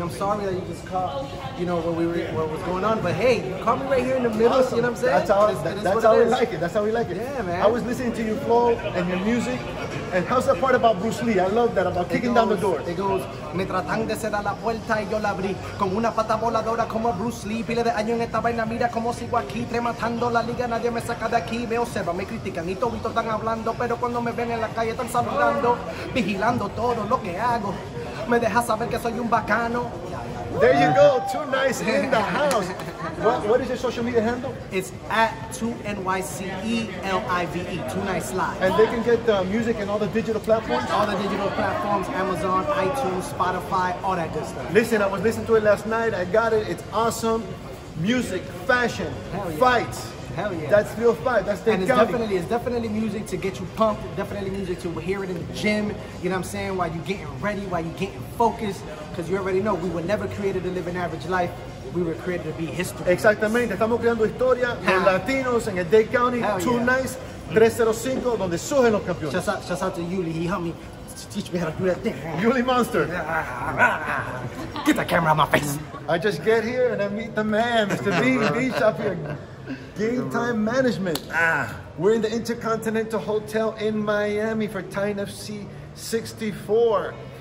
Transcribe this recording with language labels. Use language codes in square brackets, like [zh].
[en] I'm sorry that you just caught, you know, what was going on. But hey, you caught me right here in the middle, awesome. You know what I'm saying? That's how we like it. Yeah, man. I was listening to your flow and your music. And how's that part about Bruce Lee? I love that, about kicking down the doors. [es] It goes, me tratan de cerrar la puerta y yo la abrí con una pata voladora como Bruce Lee. Pile de año en esta vaina, mira como sigo aquí trematando la liga, nadie me saca de aquí. Me observa, me critican y todos están hablando, pero cuando me ven en la calle están saludando, vigilando todo lo que hago. Me deja saber que soy un bacano. [en] There you go, too nice in the house. What is your social media handle? It's at 2NYCELIVE, too nice live. And they can get the music and all the digital platforms? All the digital platforms, Amazon, iTunes, Spotify, all that good stuff. Listen, I was listening to it last night. I got it. It's awesome. Music, fashion, yeah. Fights. Hell yeah. That's real fight. That's the And it's definitely, music to get you pumped. Definitely music to hear it in the gym. You know what I'm saying? While you're getting ready, while you're getting focused. Because you already know, we were never created to live an average life. We were created to be history. [es] Exactamente. Estamos creando historia con Latinos en el Dade County. [en] Hell two yeah. [es] Nights, 305, donde surgen los campeones. [en] Shout out to Yuli. He helped me teach me how to do that thing. Yuli Monster. Get the camera on my face. I just get here and I meet the man, Mr. B. Beach up here. Game time management. We're in the Intercontinental Hotel in Miami for Titan FC 64.